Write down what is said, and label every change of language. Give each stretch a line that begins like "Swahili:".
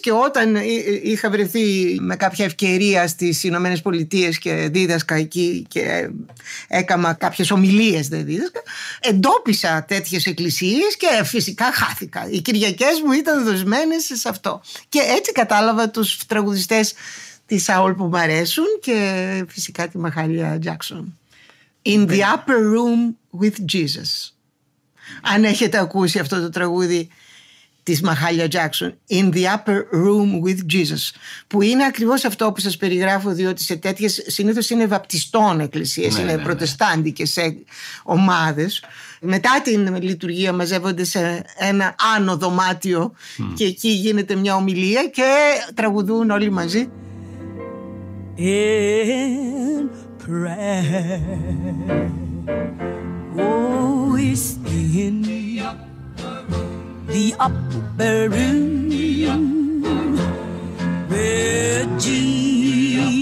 Greek: Και όταν είχα βρεθεί με κάποια ευκαιρία στις Ηνωμένες Πολιτείες και δίδασκα εκεί και έκανα κάποιες ομιλίες, δεν δίδασκα, εντόπισα τέτοιες εκκλησίες και φυσικά χάθηκα. Οι Κυριακές μου ήταν δοσμένες σε αυτό. Και έτσι κατάλαβα τους τραγουδιστές τη Σαούλ που μου αρέσουν και φυσικά τη Μαχάλια Τζάκσον.
English: In the upper room with Jesus.
Greek: Αν έχετε ακούσει αυτό το τραγούδι της Μαχάλια Τζάκσον,
English: In the upper room with Jesus,
Greek: που είναι ακριβώς αυτό που σας περιγράφω, διότι σε τέτοιες, συνήθως είναι βαπτιστών εκκλησίες, είναι προτεστάντικες ομάδες, μετά την λειτουργία μαζεύονται σε ένα άνω δωμάτιο και εκεί γίνεται μια ομιλία και τραγουδούν όλοι μαζί.
English: In prayer, oh, is in the upper room with Jesus.